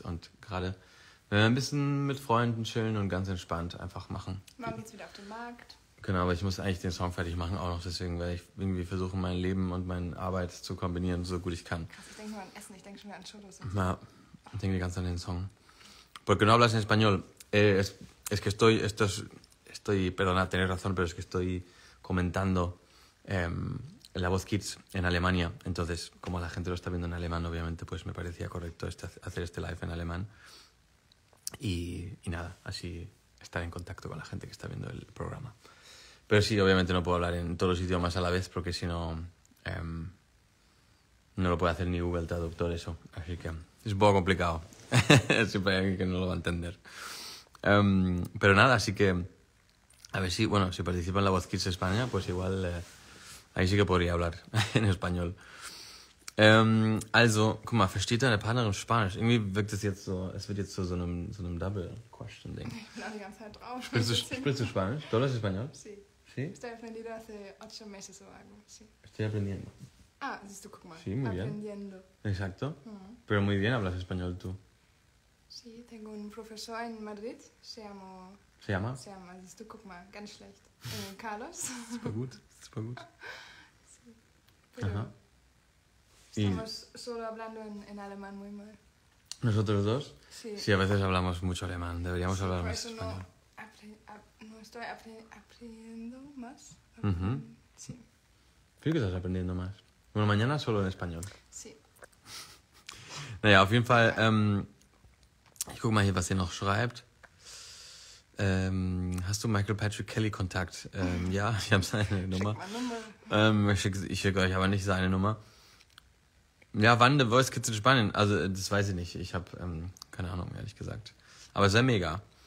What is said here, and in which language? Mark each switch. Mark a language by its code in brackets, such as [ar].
[de] Und gerade wenn wir ein bisschen mit Freunden chillen und ganz entspannt einfach machen. Machen wir jetzt wieder auf den Markt. Genau, aber ich muss eigentlich den Song fertig machen auch noch. Deswegen werde ich irgendwie versuchen, mein Leben und meine Arbeit zu kombinieren, so gut ich kann. Krass, ich denke nur an Essen, ich denke schon wieder an Churros. Ja, ich denke die ganze Zeit an den Song. [es] Porque no hablas en español. Es que estoy, esto es, estoy, perdona, tenés razón, pero es que estoy comentando La Voz Kids en Alemania. Entonces, como la gente lo está viendo en alemán, obviamente, pues me parecía correcto hacer este live en alemán. Y nada, así estar en contacto con la gente que está viendo el programa. Pero sí, obviamente no puedo hablar en todos los idiomas a la vez, porque si no, no lo puede hacer ni Google Traductor eso. Así que es un poco complicado. Siempre hay alguien que no lo va a entender. Pero nada, así que a ver si, bueno, si participa en La Voz Kids España, pues igual ahí sí que podría hablar en español. [de] Also, guck mal, versteht deine Partnerin Spanisch? Irgendwie wirkt es jetzt so, es wird jetzt so einem Double-Question-Ding. Ich bin die ganze Zeit drauf. Sprichst du Spanisch? ¿Dolas español? [es] Sí. Sí. Estoy aprendiendo hace 8 meses o algo. Sí. Estoy aprendiendo. [de] Ah, siehst du, guck mal. [es] Sí, muy aprendiendo. Bien. Exacto. Pero muy bien hablas español tú. Sí, tengo un profesor en Madrid. Se llama. [de] Siehst du, guck mal, ganz schlecht. [es] Carlos. [de] Super gut. [es] Sí. Pero, ajá. Estamos solo hablando en alemán muy mal. ¿Nosotros dos? Sí. Sí, a veces hablamos mucho alemán. Deberíamos hablar más español. No, no estoy aprendiendo más. Sí. Creo que estás aprendiendo más. Bueno, mañana solo en español. Sí. [de] Naja, auf jeden Fall. Ich guck mal hier, was ihr noch schreibt. Hast du Michael Patrick Kelly Kontakt? ja, ich habe seine Nummer. Ich schicke euch aber nicht seine Nummer. Ja, wann The Voice Kids in Spanien? Also, das weiß ich nicht. Ich habe keine Ahnung, ehrlich gesagt. Aber es wäre mega.